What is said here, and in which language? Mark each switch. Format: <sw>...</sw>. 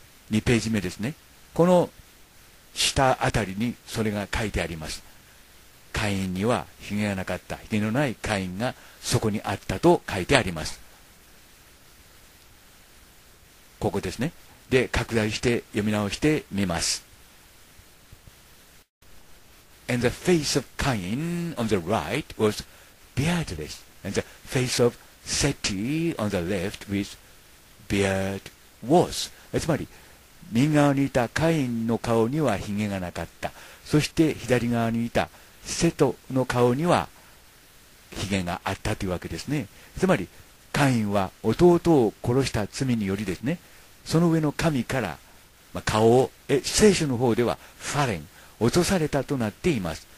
<ja>2ページ目ですね、この下あたりにそれが書いてあります。カインにはヒゲがなかった、ヒゲのないカインがそこにあったと書いてあります。ここですね。で拡大して読み直してみます。</ja> <en>And the face of Cain on the right was beardless, and the face of Seti on the left with beard was。</en> <ja>つまり右側にいたカインの顔にはヒゲがなかった、そして左側にいたセトの顔にはヒゲがあったというわけですね。つまりカインは弟を殺した罪によりですね、その上の神から、まあ、顔を聖書の方ではファレン、落とされたとなっています。</ja>